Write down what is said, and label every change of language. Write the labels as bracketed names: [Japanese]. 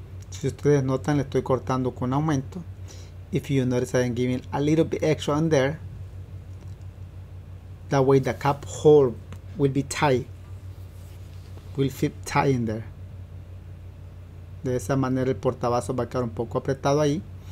[Spanish] Si ustedes notan, le estoy cortando con aumento. [English] If you notice, I'm giving a little bit extra on there. That way the cup hole will be tight. Will fit tight in there. [Spanish] De esa manera el portavaso va a quedar un poco apretado ahí.